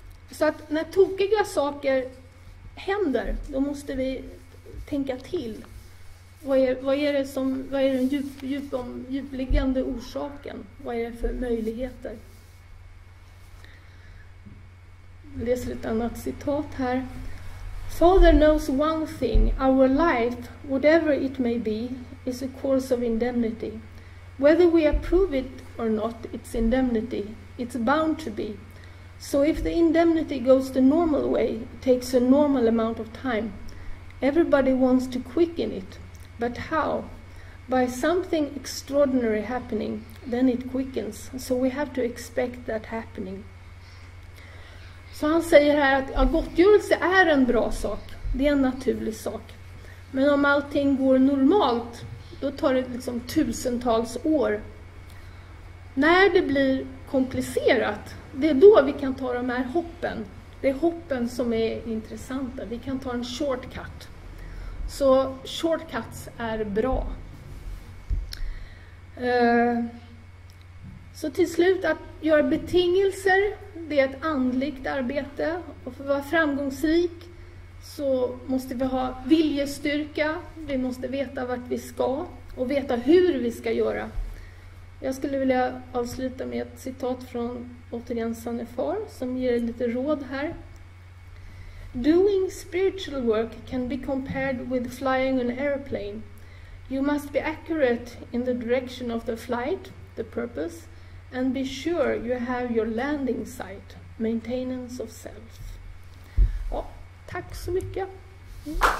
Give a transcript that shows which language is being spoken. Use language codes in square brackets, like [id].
[sv] Så att när tokiga saker händer, då måste vi tänka till. Vad är den djupliggande orsaken? Vad är det för möjligheter? Jag läser ett annat citat här. [en] "Father knows one thing. Our life, whatever it may be, is a course of indemnity. Whether we approve it or not, it's indemnity. It's bound to be. So if the indemnity goes the normal way, it takes a normal amount of time. Everybody wants to quicken it. But how? By something extraordinary happening, then it quickens. So we have to expect that happening." [sv] Så han säger här att ja, gottgörelse är en bra sak. Det är en naturlig sak. Men om allting går normalt, då tar det liksom tusentals år. När det blir komplicerat, det är då vi kan ta de här hoppen. Det är hoppen som är intressanta. Vi kan ta en shortcut. Så shortcuts är bra. Så till slut, att göra betingelser, det är ett andligt arbete. Och för att vara framgångsrik så måste vi ha viljestyrka. Vi måste veta vart vi ska och veta hur vi ska göra. Jag skulle vilja avsluta med ett citat från återigen Sannefar som ger lite råd här. [en] "Doing spiritual work can be compared with flying an airplane. You must be accurate in the direction of the flight, the purpose, and be sure you have your landing site, maintenance of self." [sv] Ja, tack så mycket. [en] Mm.